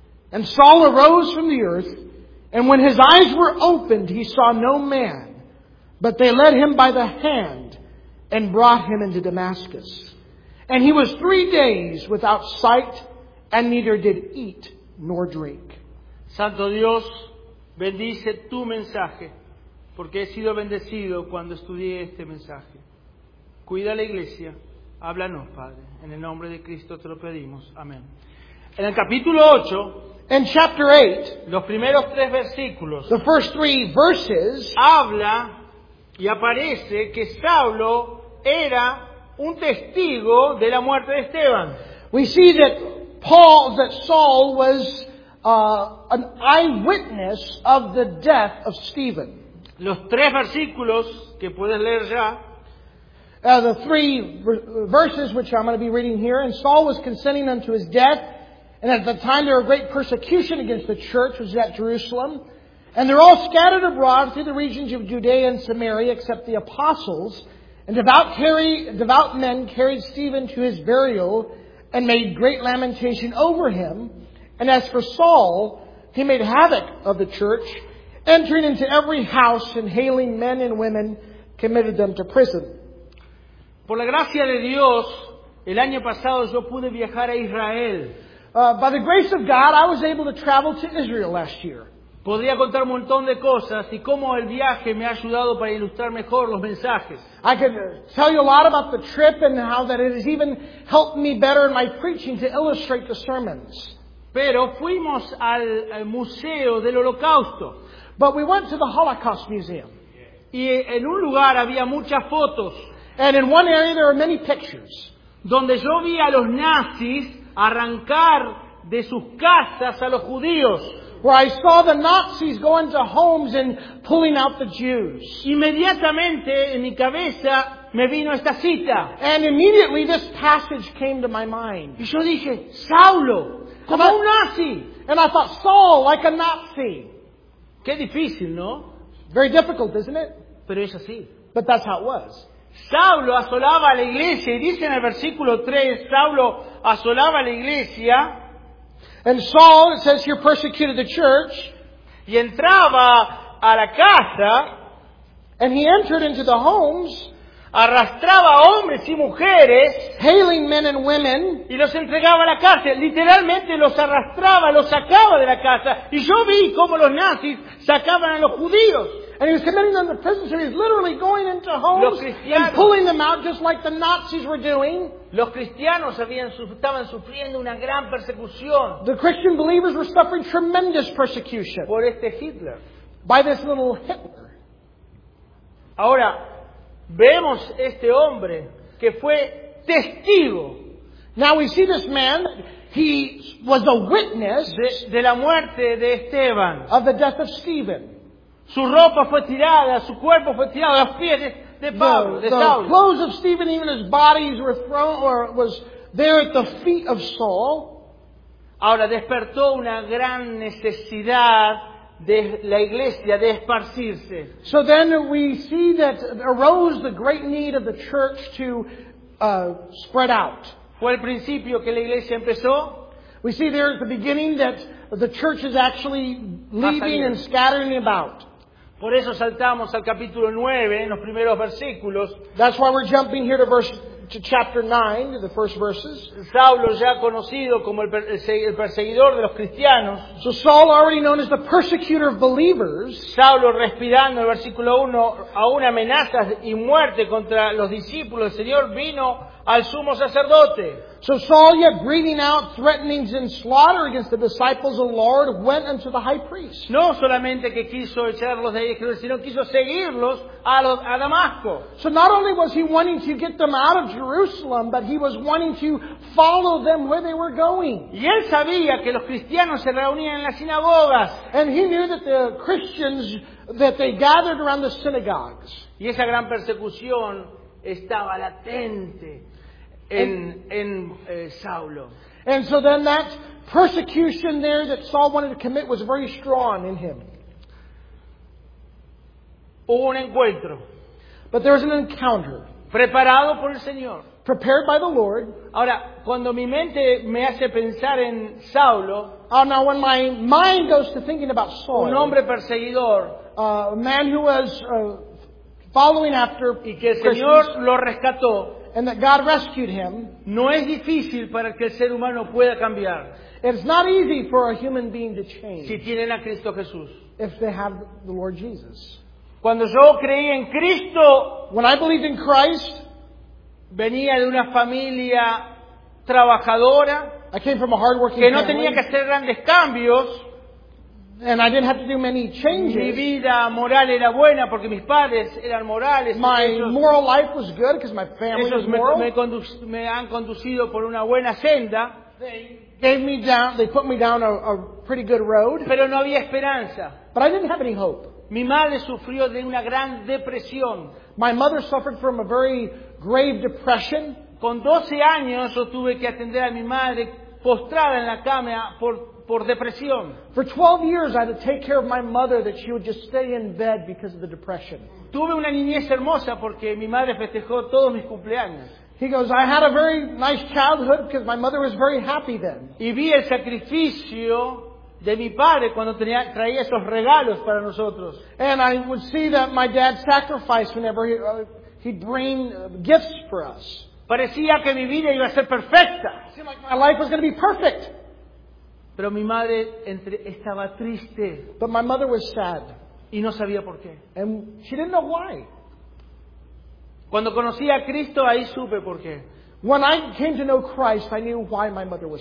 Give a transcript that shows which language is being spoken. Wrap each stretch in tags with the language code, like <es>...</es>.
<en>And Saul arose from the earth, and when his eyes were opened, he saw no man. But they led him by the hand and brought him into Damascus. And he was 3 days without sight, and neither did eat nor drink.</en> <es>Santo Dios, bendice tu mensaje, porque he sido bendecido cuando estudié este mensaje. Cuida la iglesia, háblanos, Padre. En el nombre de Cristo te lo pedimos. Amén. En el capítulo 8,</es> <en>in chapter 8,</en> <es>los primeros tres versículos,</es> <en>the first three verses,</en> <es>habla y aparece que Saulo era un testigo de la muerte de Esteban.</es> <en>We see that Saul was an eyewitness of the death of Stephen.</en> <es>Los tres versículos que puedes leer ya.</es> <en>The three verses which I'm going to be reading here. And Saul was consenting unto his death. And at the time there were great persecution against the church, which was at Jerusalem. And they're all scattered abroad through the regions of Judea and Samaria, except the apostles. And devout men carried Stephen to his burial and made great lamentation over him. And as for Saul, he made havoc of the church, entering into every house and hailing men and women, committed them to prison.</en> <es>Por la gracia de Dios, el año pasado yo pude viajar a Israel.</es> <en>By the grace of God, I was able to travel to Israel last year.</en> <es>Podría contar un montón de cosas y cómo el viaje me ha ayudado para ilustrar mejor los mensajes.</es> <en>I could tell you a lot about the trip and how that it has even helped me better in my preaching to illustrate the sermons.</en> <es>Pero fuimos al Museo del Holocausto.</es> <en>But we went to the Holocaust Museum.</en> <es>Y en un lugar había muchas fotos.</es> <en>And in one area there are many pictures.</en> <es>Donde yo vi a los nazis arrancar de sus casas a los judíos.</es> <en>Where I saw the Nazis going to homes and pulling out the Jews.</en> <es>Inmediatamente en mi cabeza me vino esta cita.</es> <en>And immediately this passage came to my mind.</en> <es>Y yo dije, Saulo, como un Nazi.</es> <en>And I thought, Saul, like a Nazi.</en> <es>Qué difícil, ¿no?</es> <en>Very difficult, isn't it?</en> <es>Pero es así.</es> <en>But that's how it was.</en> <es>Saulo asolaba a la iglesia. Y dice en el versículo 3, Saulo asolaba a la iglesia.</es> <en>And Saul, it says here, persecuted the church.</en> <es>Y entraba a la casa.</es> <en>And he entered into the homes.</en> <es>Arrastraba hombres y mujeres.</es> <en>Hailing men and women.</en> <es>Y los entregaba a la cárcel. Literalmente los arrastraba, los sacaba de la casa. Y yo vi cómo los nazis sacaban a los judíos.</es> <en>And he was committing them to prison, so he was literally going into homes and pulling them out just like the Nazis were doing.</en> <es>Los cristianos estaban sufriendo una gran persecución.</es> <en>The Christian believers were suffering tremendous persecution.</en> <es>Por este Hitler.</es> <en>By this little Hitler.</en> <es>Ahora, vemos este hombre que fue testigo.</es> <en>Now we see this man, he was a witness</en> <es>de la muerte de Esteban.</es> <en>Of the death of Stephen.</en> <es>Su ropa fue tirada, su cuerpo fue tirado, los pies de Pablo, de Saul.</es> <en>The clothes of Stephen, even his bodies were thrown, or was there at the feet of Saul.</en> <es>Ahora despertó una gran necesidad de la iglesia de esparcirse.</es> <en>So then we see that arose the great need of the church to spread out.</en> <es>Fue el principio que la iglesia empezó.</es> <en>We see there at the beginning that the church is actually leaving and scattering about.</en> <es>Por eso saltamos al capítulo 9, en los primeros versículos.</es> <en>That's why we're jumping here to chapter 9, the first verses.</en> <es>Saulo ya conocido como el perseguidor de los cristianos.</es> <en>So Saul, already known as the persecutor of believers.</en> <es>Saulo respirando, el versículo 1, aún amenazas y muerte contra los discípulos del Señor, vino al sumo sacerdote.</es> <en>So Saul, yet breathing out threatenings and slaughter against the disciples of the Lord, went unto the high priest.</en> <es>No solamente que quiso echarlos de ahí, sino quiso seguirlos a Damasco.</es> <en>So not only was he wanting to get them out of Jerusalem, but he was wanting to follow them where they were going.</en> <es>Y él sabía que los cristianos se reunían en las sinagogas.</es> <en>And he knew that the Christians, that they gathered around the synagogues.</en> <es>Y esa gran persecución estaba latente. Saulo.</es> <en>And so then that persecution there that Saul wanted to commit was very strong in him.</en> <es>Hubo un encuentro.</es> <en>But there was an encounter.</en> <es>Preparado por el Señor.</es> <en>Prepared by the Lord.</en> <es>Ahora, cuando mi mente me hace pensar en Saulo.</es> <en>Now when my mind goes to thinking about Saul.</en> <es>Un hombre perseguidor.</es> <en>A man who was following after</en> <es>y que el Señor lo rescató,</es> <en>and that God rescued him,</en> <es>no es difícil para que el ser humano pueda cambiar.</es> <en>It's not easy for a human being to change</en> <es>si tienen a Cristo Jesús.</es> <en>If they have the Lord Jesus.</en> <es>Cuando yo creí en Cristo,</es> <en>when I believed in Christ,</en> <es>venía de una familia trabajadora,</es> <en>I came from a hard-working</en> <es>que no tenía</es> <en>family,</en> <es>que hacer grandes cambios,</es> <en>and I didn't have to do many changes.</en> <es>Mi vida moral era buena porque mis padres eran morales.</es> <en>My moral life was good because my family was moral.</en> <es>Me han conducido por una buena senda.</es> <en>They put me down a pretty good road.</en> <es>Pero no había esperanza.</es> <en>But I didn't have any hope.</en> <es>Mi madre sufrió de una gran depresión.</es> <en>My mother suffered from a very grave depression.</en> <es>Con 12 años yo tuve que atender a mi madre postrada en la cama por depresión.</es> <en>For 12 years I had to take care of my mother that she would just stay in bed because of the depression.</en> <es>Tuve una niñez hermosa porque mi madre festejó todos mis cumpleaños.</es> <en>He goes, I had a very nice childhood because my mother was very happy then.</en> <es>Y vi el sacrificio de mi padre cuando traía esos regalos para nosotros.</es> <en>And I would see that my dad sacrificed whenever he'd bring gifts for us.</en> <es>Parecía que mi vida iba a ser perfecta.</es> <en>It seemed like my life was going to be perfect.</en> <es>Pero mi madre estaba triste.</es> <en>But my mother was sad.</en> <es>Y no sabía por qué.</es> <en>And she didn't know why.</en> <es>Cuando conocí a Cristo, ahí supe por qué.</es> <en>When I came to know Christ, I knew why my mother was</en>